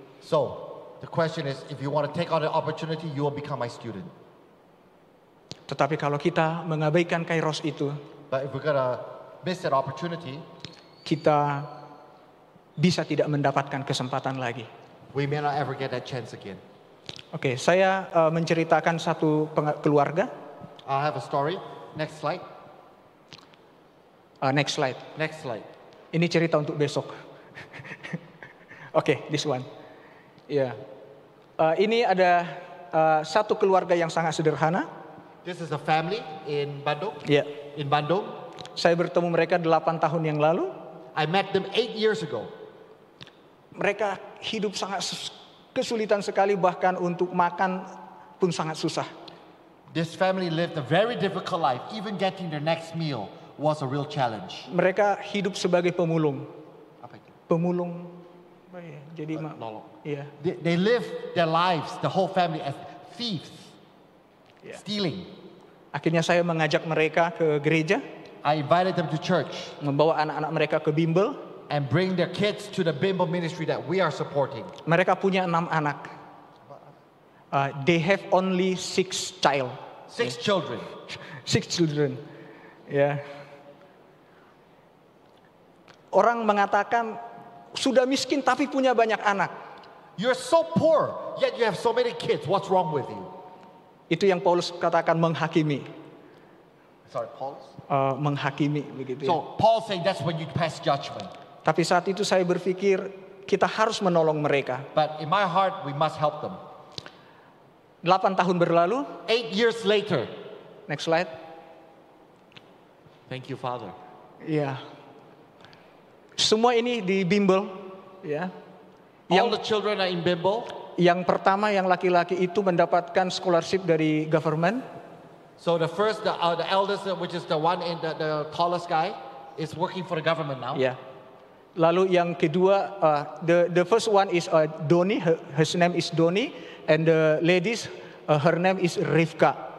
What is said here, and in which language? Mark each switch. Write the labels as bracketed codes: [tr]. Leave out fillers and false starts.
[en] So, the question is, if you want to take on the opportunity, you will become my student. [id] Tetapi kalau kita mengabaikan Kairos itu, [en] but if we're going to miss that opportunity, [id] kita bisa tidak mendapatkan kesempatan lagi. [en] We may not ever get that chance again. [id] Okay, saya menceritakan satu keluarga. [en] I have a story. Next slide. Next slide. Ini cerita untuk besok. Okay, this one. Yeah. [id] Ini ada satu keluarga yang sangat sederhana. [en] This is a family in Bandung. Yeah. In Bandung. [id] Saya bertemu mereka 8 tahun yang lalu. [en] I met them 8 years ago. [id] Mereka hidup sangat kesulitan sekali, bahkan untuk makan pun sangat susah. [en] This family lived a very difficult life. Even getting their next meal was a real challenge. [id] Mereka hidup sebagai pemulung. Apa itu? Pemulung. Jadi nolong. [en] Yeah. They live their lives, the whole family, as thieves. Yeah. Stealing. [id] Akhirnya saya mengajak mereka ke gereja. [en] I invited them to church. [id] Membawa anak-anak mereka ke bimbel. [en] And bring their kids to the Bimbo ministry that we are supporting. [id] Mereka punya 6 anak. They have only 6 child. [en] 6 yeah. Children. 6 children. Yeah. [id] Orang mengatakan sudah miskin tapi punya banyak anak. [en] You're so poor yet you have so many kids. What's wrong with you? [id] Itu yang Paulus katakan menghakimi. [en] Sorry, Paulus? [id] Menghakimi begitu. [en] So Paul saying that's when you pass judgment. [id] Tapi saat itu saya berpikir kita harus menolong mereka. [en] But in my heart we must help them. [id] 8 tahun berlalu. [en] 8 years later. Next slide. Thank you Father. [id] Yeah. Semua ini di bimbel, ya. [en] Yeah. All the children are in bimbel. [id] Yang pertama yang laki-laki itu mendapatkan scholarship dari government. [en] So the first the eldest which is the one in the tallest guy is working for the government now. Yeah. Lalu yang kedua, the first one is Doni, his name is Doni, and the ladies, her name is Rivka.